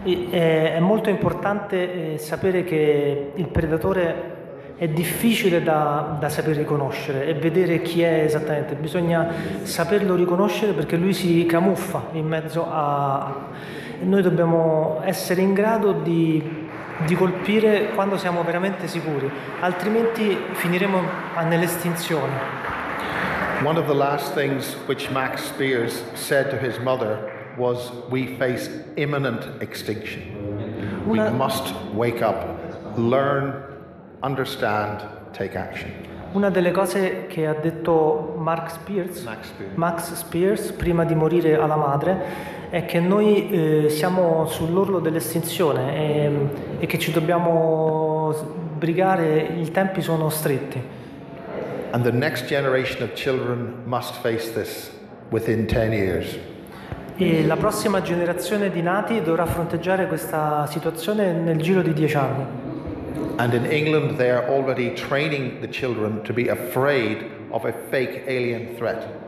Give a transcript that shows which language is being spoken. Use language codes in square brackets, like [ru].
[it] È molto importante sapere che il predatore è difficile da saper riconoscere e vedere chi è esattamente. Bisogna saperlo riconoscere perché lui si camuffa in mezzo a... Noi dobbiamo essere in grado di colpire quando siamo veramente sicuri, altrimenti finiremo nell'estinzione. [en] One of the last things which Max Spears said to his mother was, we face imminent extinction. We must wake up, learn, understand, take action. [it] Una delle cose che ha detto Max Spears prima di morire alla madre è che noi siamo sull'orlo dell'estinzione e che ci dobbiamo brigare, i tempi sono stretti. [en] And the next generation of children must face this within 10 years. [it] E la prossima generazione di nati dovrà fronteggiare questa situazione nel giro di 10 anni. [en] And in England they are already training the children to be afraid of a fake alien threat.